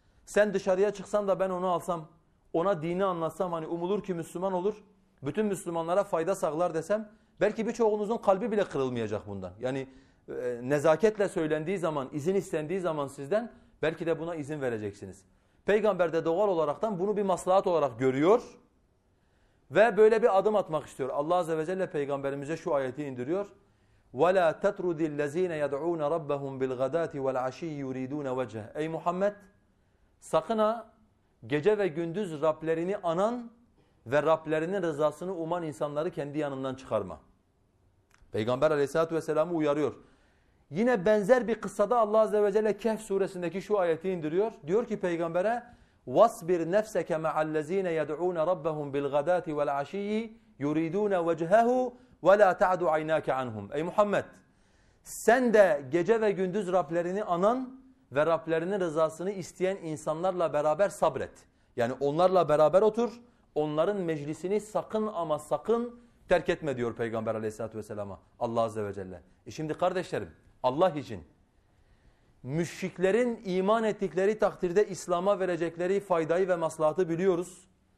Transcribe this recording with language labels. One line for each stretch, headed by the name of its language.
Turkish: Sen dışarıya çıksan da ben onu alsam, ona dini anlatsam, hani umulur ki Müslüman olur, bütün Müslümanlara fayda sağlar desem, belki birçoğunuzun kalbi bile kırılmayacak bundan. Yani nezaketle söylendiği zaman, izin istendiği zaman sizden, belki de buna izin vereceksiniz. Peygamber de doğal olaraktan bunu bir maslahat olarak görüyor ve böyle bir adım atmak istiyor. Allah Azze ve Celle peygamberimize şu ayeti indiriyor.
Arabic: وَلَا تَتْرُدِ الَّذ۪ينَ يَدْعُونَ رَبَّهُمْ بِالْغَدَاتِ وَالْعَش۪ي يُرِيدُونَ وَجَّهِ
Turkish: Ey Muhammed! Sakın ha gece ve gündüz Rablerini anan ve Rablerinin rızasını uman insanları kendi yanından çıkarma. Peygamber aleyhissalatü vesselam'ı uyarıyor. Yine benzer bir kıssada Allah Azze ve Celle Kehf suresindeki şu ayeti indiriyor. Diyor ki peygambere
Arabic: وَاسْبِرْ نَفْسَكَ مَعَ الَّذ۪ينَ يَدْعُونَ رَبَّهُمْ بِالْغَدَاتِ وَالْعَش۪يِّ يُرِيدُونَ وَجْهَهُ وَلَا تَعْدُ عَيْنَاكَ عَنْهُمْ
Turkish: Ey Muhammed! Sen de gece ve gündüz Rablerini anan ve Rablerinin rızasını isteyen insanlarla beraber sabret. Yani onlarla beraber otur. Onların meclisini sakın ama sakın terk etme diyor Peygamber aleyhissalatü vesselama. Allah Azze ve Celle. Şimdi kardeşlerim Allah için müşriklerin iman ettikleri takdirde İslam'a verecekleri faydayı ve maslahatı biliyoruz.